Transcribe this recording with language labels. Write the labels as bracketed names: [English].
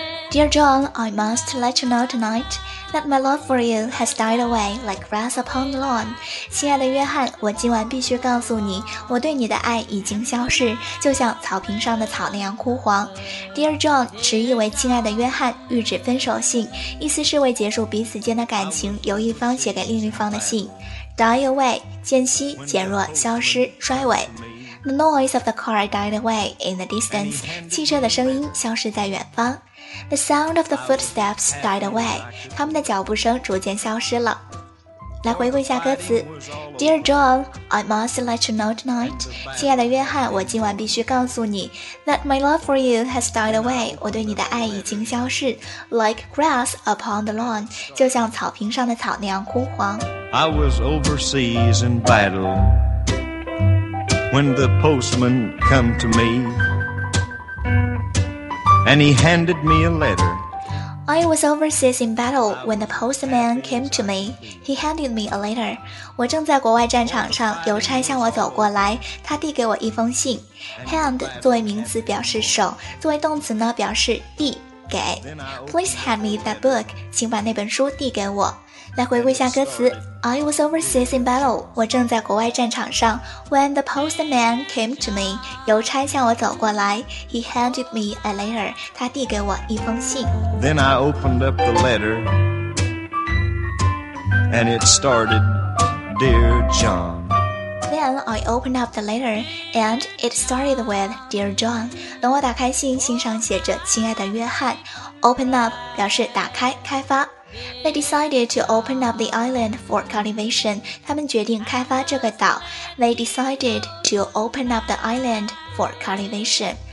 [English] Dear John, I must let you know tonight that my love for you has died away like grass upon the lawn. [Chinese] 亲爱的约翰，我今晚必须告诉你，我对你的爱已经消逝，就像草坪上的草那样枯黄。 [English] Dear John, [Chinese] 直译为亲爱的约翰，喻指分手信，意思是为结束彼此间的感情，由一方写给另一方的信。 [English] Die away, [Chinese] 渐息、减弱、消失、衰萎。 [English] The noise of the car died away in the distance, [Chinese] 汽车的声音消失在远方。 [English] The sound of the footsteps died away. [Chinese] 他们的脚步声逐渐消失了。来回顾一下歌词。 [English] Dear John, I must let you know tonight. [Chinese] 亲爱的约翰，我今晚必须告诉你 [English] that my love for you has died away. [Chinese] 我对你的爱已经消失。 [English] Like grass upon the lawn. [Chinese] 就像草坪上的草那样枯黄。 [English] I was overseas in battle when the postman come to me. and he handed me a letter. I was overseas in battle when the postman came to me. He handed me a letter. [Chinese] 我正在国外战场上，邮差向我走过来，他递给我一封信。 Hand 作为名词表示手，作为动词呢表示递给。 [English] Please hand me that book. [Chinese] 请把那本书递给我。来回顾一下歌词。 [English] I was overseas in battle. [Chinese] 我正在国外战场上。 [English] When the postman came to me, [Chinese] 邮差向我走过来。 [English] He handed me a letter. [Chinese] 他递给我一封信。 [English] Then I opened up the letter, and it started, Dear John. Then I opened up the letter, and it started with, Dear John. [Chinese] 等我打开信，信上写着，亲爱的约翰。 [English] Open up [Chinese] 表示打开、开发。 [English] They decided to open up the island for cultivation. [Chinese] 他们决定开发这个岛。 [English] They decided to open up the island for cultivation.